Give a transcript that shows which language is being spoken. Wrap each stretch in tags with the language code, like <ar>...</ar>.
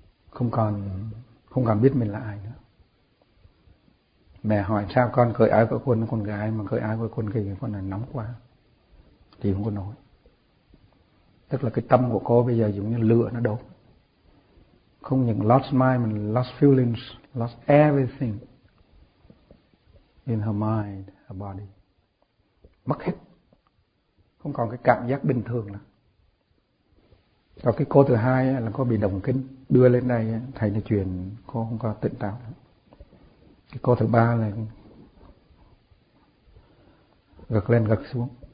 <vi>Không còn biết mình là ai nữa. Mẹ hỏi sao con cởi áo cởi quần, con gái mà cởi áo cởi quần kia, con này nóng quá. Thì không có nói. Tức là cái tâm của cô bây giờ giống như lửa nó đốt. Không những</vi> <en>lost mind, mình lost feelings, lost everything in her mind, her body.</en> <vi>Mất hết. Không còn cái cảm giác bình thường nữa. Còn cái cô thứ hai là cô bị động kinh. Đưa lên đây, thầy nói chuyện, cô không có tỉnh táo. Cái cô thứ ba là gật lên gật xuống.</vi>